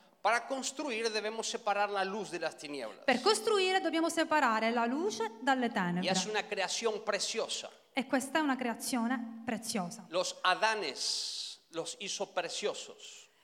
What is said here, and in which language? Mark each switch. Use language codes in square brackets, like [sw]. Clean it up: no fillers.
[es] Para construir debemos separar la luz de las tinieblas. [it] Per costruire dobbiamo separare la luce dalle tenebre. [es] Y es una creación preciosa. [it] E questa è una creazione preziosa. [es] Los Adanes los hizo preciosos.